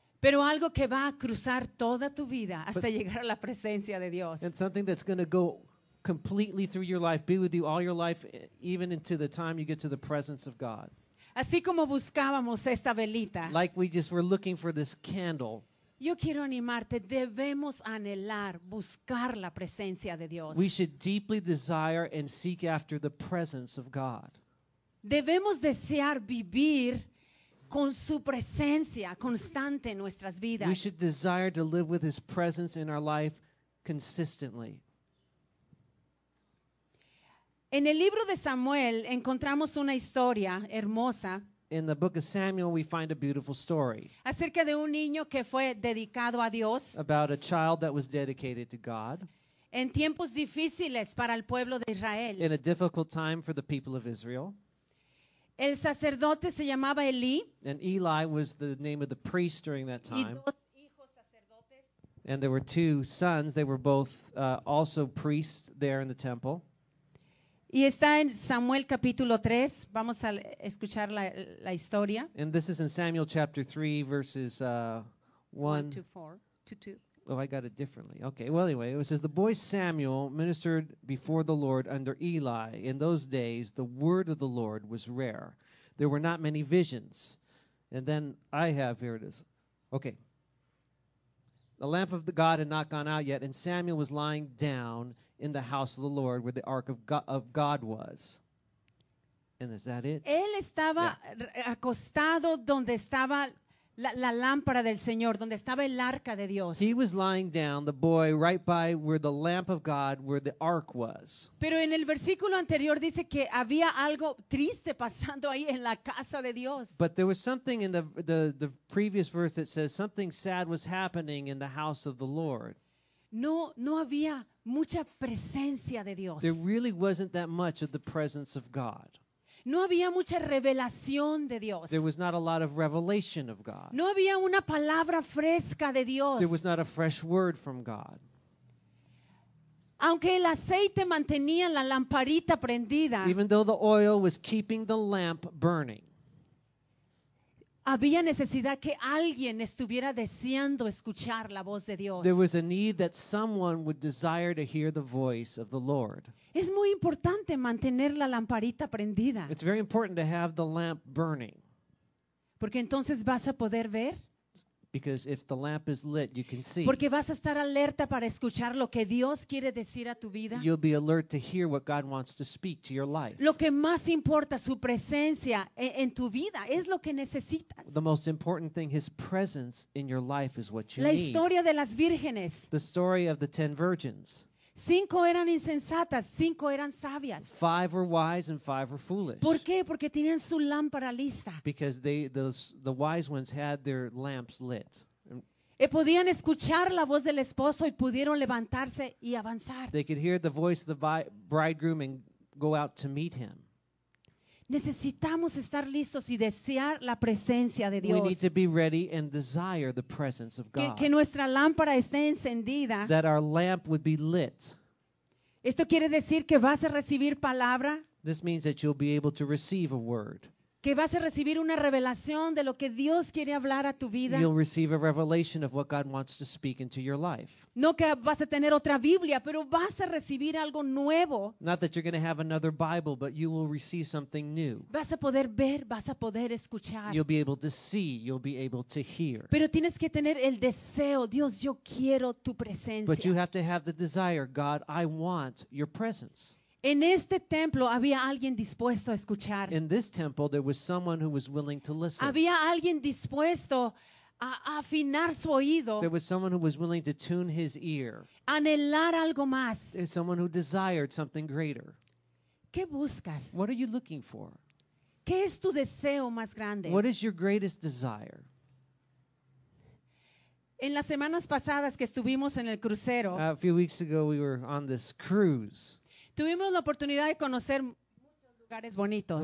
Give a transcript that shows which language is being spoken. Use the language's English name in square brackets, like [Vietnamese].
[Spanish] Pero algo que va a cruzar toda tu vida hasta llegar a la presencia de Dios. [English] And something that's going to go completely through your life, be with you all your life, even into the time you get to the presence of God. [Spanish] Así como buscábamos esta velita. [English] Like we just were looking for this candle. [Spanish] Yo quiero animarte, debemos anhelar, buscar la presencia de Dios. [English] We should deeply desire and seek after the presence of God. [Spanish] Debemos desear vivir con su presencia constante en nuestras vidas. [English] We should desire to live with his presence in our life consistently. [Spanish] En el libro de Samuel encontramos una historia hermosa. [English] In the book of Samuel, we find a beautiful story. [Spanish] Acerca de un niño que fue dedicado a Dios. [English] About a child that was dedicated to God. [Spanish] En tiempos difíciles para el pueblo de Israel. [English] In a difficult time for the people of Israel. [Spanish] El sacerdote se llamaba Eli. [English] And Eli was the name of the priest during that time. [Spanish] Y dos hijos sacerdotes. [English] And there were two sons. They were both also priests there in the temple. [Spanish] Y está en Samuel capítulo 3. Vamos a escuchar la historia. [English] And this is in Samuel chapter 3, verses 1 to 2. Oh, I got it differently. Okay, well, anyway, it says, the boy Samuel ministered before the Lord under Eli. In those days, the word of the Lord was rare. There were not many visions. And then I have, here it is. Okay. The lamp of the God had not gone out yet, and Samuel was lying down in the house of the Lord, where the ark of God was. And is that it? [Spanish] Él estaba acostado donde estaba la lámpara del Señor, donde estaba el arca de Dios. [English] He was lying down, the boy, right by where the lamp of God, where the ark was. [Spanish] Pero en el versículo anterior dice que había algo triste pasando ahí en la casa de Dios. [English] But there was something in the previous verse that says something sad was happening in the house of the Lord. [Spanish] No había mucha presencia de Dios. [English] There really wasn't that much of the presence of God. [Spanish] No había mucha revelación de Dios. [English] There was not a lot of revelation of God. [Spanish] No había una palabra fresca de Dios. [English] There was not a fresh word from God. [Spanish] Aunque el aceite mantenía la lamparita prendida. [English] Even though the oil was keeping the lamp burning. [Spanish] Había necesidad que alguien estuviera deseando escuchar la voz de Dios. [English] There was a need that someone would desire to hear the voice of the Lord. [Spanish] Es muy importante mantener la lamparita prendida. [English] It's very important to have the lamp burning. [Spanish] Porque entonces vas a poder ver. [English] Because if the lamp is lit, you can see. [Spanish] Porque vas a estar alerta para escuchar lo que Dios quiere decir a tu vida. [English] You'll be alert to hear what God wants to speak to your life. [Spanish] Lo que más importa, su presencia en tu vida, es lo que necesitas. [English] The most important thing, his presence in your life, is what you need. [Spanish] La historia de las vírgenes. [English] The story of the 10 virgins. [Spanish] 5 eran insensatas, 5 eran sabias. [English] 5 were wise and 5 were foolish. [Spanish] ¿Por qué? Porque tenían su lámpara lista. [English] Because the wise ones had their lamps lit. [Spanish] Y podían escuchar la voz del esposo y pudieron levantarse y avanzar. [English] They could hear the voice of the bridegroom and go out to meet him. [Spanish] Necesitamos estar listos y desear la presencia de Dios. [English] We need to be ready and desire the presence of God. [Spanish] Que nuestra lámpara esté encendida. [English] That our lamp would be lit. [Spanish] Esto quiere decir que vas a recibir palabra. [English] This means that you'll be able to receive a word. [Spanish] Que vas a recibir una revelación de lo que Dios quiere hablar a tu vida. [English] You'll receive a revelation of what God wants to speak into your life. [Spanish] No que vas a tener otra Biblia, pero vas a recibir algo nuevo. [English] Not that you're going to have another Bible, but you will receive something new. [Spanish] Vas a poder ver, vas a poder escuchar. [English] You'll be able to see, you'll be able to hear. [Spanish] Pero tienes que tener el deseo, Dios, yo quiero tu presencia. [English] But you have to have the desire, God, I want your presence. [Spanish] En este templo había alguien dispuesto a escuchar. [English] In this temple there was someone who was willing to listen. [Spanish] Había alguien dispuesto a afinar su oído. [English] There was someone who was willing to tune his ear. [Spanish] Anhelar algo más. [English] Someone who desired something greater. [Spanish] ¿Qué buscas? [English] What are you looking for? [Spanish] ¿Qué es tu deseo más grande? [English] What is your greatest desire? [Spanish] En las semanas pasadas que estuvimos en el crucero. [English] A few weeks ago we were on this cruise. [Spanish] Tuvimos la oportunidad de conocer muchos lugares bonitos.